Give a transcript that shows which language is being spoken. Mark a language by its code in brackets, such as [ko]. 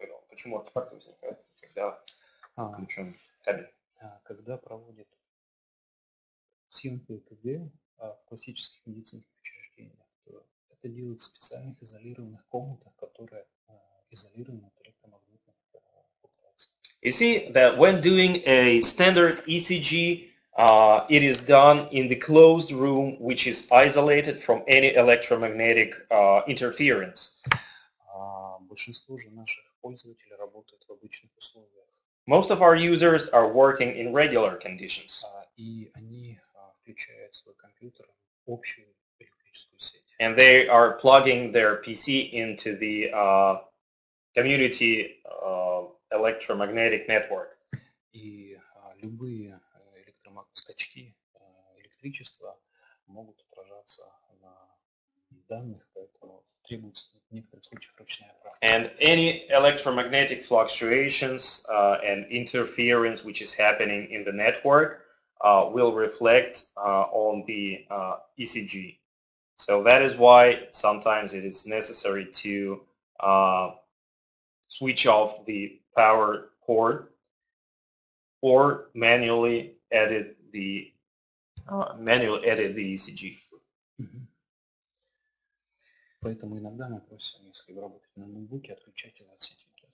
[ru] Почему артефакты возникают, когда включен кабель? Когда проводят снимки ЭКГ в классических медицинских учреждениях, то это делают в специальных изолированных комнатах, которые изолированы от электромагнитных фокусов. [en] You see that when doing a standard ECG, it is done in the closed room, which is isolated from any electromagnetic interference. [ru] Большинство же наших пользователей работают в обычных условиях. [en] Most of our users are working in regular conditions. [ru] И они включают свой компьютер в общую электрическую сеть. [en] And they are plugging their PC into the community electromagnetic network. [ru] И любые скачки электричества могут отражаться на данных, поэтому требуется в некоторых случаях ручная практика. [en] And any electromagnetic fluctuations and interference which is happening in the network will reflect on the ECG. So that is why sometimes it is necessary to switch off the power cord or manually edit the ECG. [ru] Поэтому иногда мы просим, если вы работаете на ноутбуке, отключать его от сети.